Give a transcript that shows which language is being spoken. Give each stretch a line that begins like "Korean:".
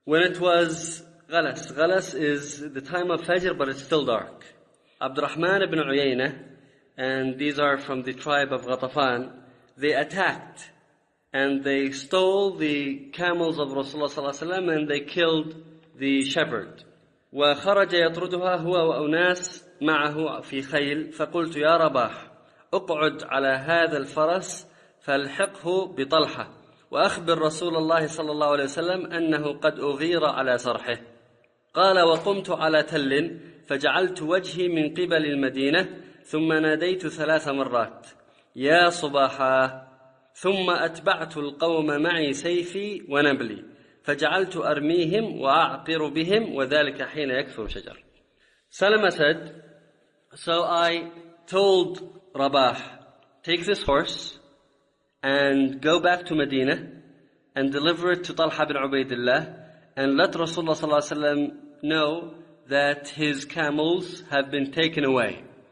English: When it was غَلَس, غَلَس is the time of Fajr, but it's still dark. عبد الرحمن بن عيينة, and these are from the tribe of Ghatafan, they attacked and they stole the camels of Rasulullah ﷺ and they killed the shepherd.
Arabic: وَخَرَجَ يَطْرُدُهَا هُوَ وَأُنَاسْ مَعَهُ فِي خَيْلٍ فَقُلْتُ يَا رَبَاحُ اُقْعُدْ عَلَى هَذَا الْفَرَسِ فَالْحِقْهُ بِطَلْحَةِ وَأَخْبِرْ رَسُولَ اللَّهِ صَلَى اللَّهُ عَلَيْهِ وَسَلَّمَ أَنَّهُ قَدْ أُغِيرَ عَلَى صَرْحِهِ قَالَ وَقُمْتُ عَلَى تَلٍّ فَجَعَلْتُ وَجْهِي مِنْ قِبَلِ الْمَدِينَةِ ثُمَّ نَادَيْتُ ثَلَاثَ مَرَّاتِ يَا صُبَاحَا ثم أتبعت القوم معي سيفي ونبلي فجعلت أرميهم وأعقر بهم وذلك حين يكثر شجر.
English: Salama said, so I told Rabah, take this horse and go back to Medina and deliver it to Talha bin Ubaidillah and let Rasulullah
Arabic: صلى الله عليه وسلم
English: know that his camels have been taken away.